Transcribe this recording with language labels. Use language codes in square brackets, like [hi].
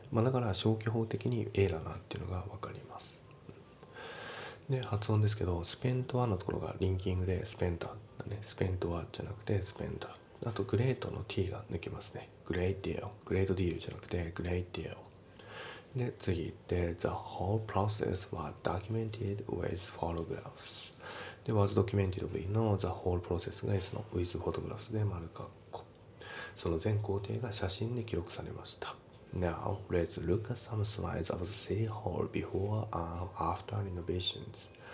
[ja] まあ、だから消去法的に A だなっていうのが分かります。で発音ですけどスペントはのところがリンキングでスペンタだね。スペントはじゃなくてスペンタあとグレートの T が抜けますね。グレートディールじゃなくてグレートディールで次で [en] The whole process was documented with photographs。で was documented V の The whole process が S の with photographs [ja] で丸括弧。その全工程が写真で記録されました。 [en] Now let's look at some slides of the City Hall before and after renovations。